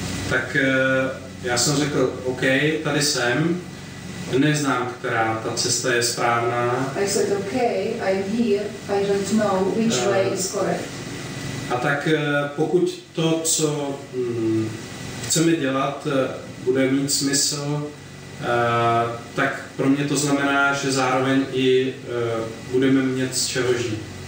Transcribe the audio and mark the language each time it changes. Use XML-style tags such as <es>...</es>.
<cs>Tak já jsem řekl, OK, tady jsem, neznám, která ta cesta je správná.</cs> <en>I said, OK, I'm here, I don't know which way is correct.</en> <cs>A tak pokud to, co chceme dělat, bude mít smysl, tak pro mě to znamená, že zároveň i budeme mít z čeho žít.</cs>